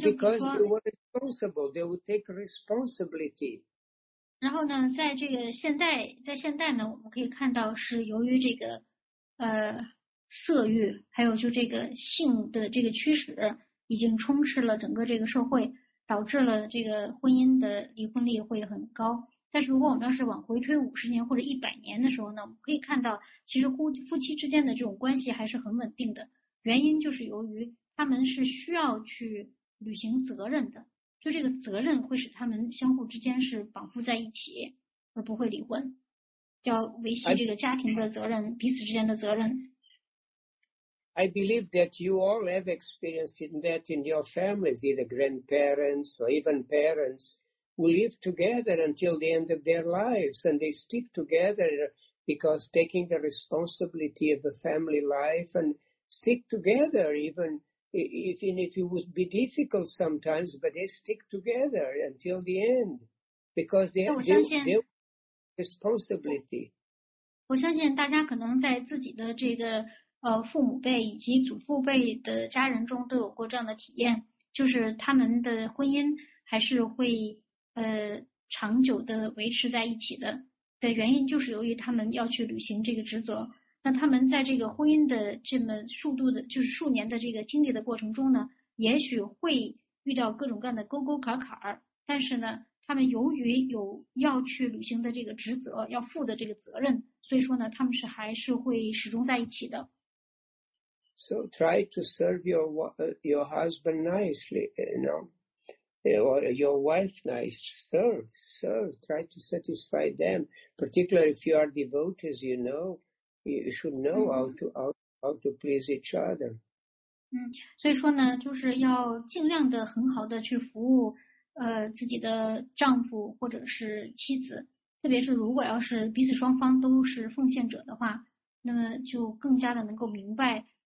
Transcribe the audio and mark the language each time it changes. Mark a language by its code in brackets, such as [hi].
[en] because they were responsible, they would take responsibility. [zh] 然后呢，在这个现代呢，我们可以看到是由于这个色欲，还有就这个性的这个驱使，已经充斥了整个这个社会。导致了这个婚姻的离婚率会很高，但是如果我们要是往回推50年或者100年的时候呢，我们可以看到，其实夫妻之间的这种关系还是很稳定的，原因就是由于他们是需要去履行责任的，就这个责任会使他们相互之间是绑缚在一起，而不会离婚，要维系这个家庭的责任，彼此之间的责任。 [en] I believe that you all have experienced that in your families, either grandparents or even parents who live together until the end of their lives and they stick together because taking the responsibility of the family life and stick together even if it would be difficult sometimes, but they stick together until the end because they have their responsibility. [zh] 我相信大家可能在自己的这个父母辈以及祖父辈的家人中都有过这样的体验，就是他们的婚姻还是会长久的维持在一起的。的原因就是由于他们要去履行这个职责。那他们在这个婚姻的这么数年的这个经历的过程中呢，也许会遇到各种各样的沟沟坎坎，但是呢，他们由于有要去履行的这个职责，要负的这个责任，所以说呢，他们是还是会始终在一起的。 [en] So try to serve your husband nicely, you know, or your wife nicely. Serve. Try to satisfy them. Particularly if you are devotees, you know, you should know how to please each other. [zh] 所以说呢，就是要尽量的很好的去服务自己的丈夫或者是妻子，特别是如果要是彼此双方都是奉献者的话，那么就更加的能够明白。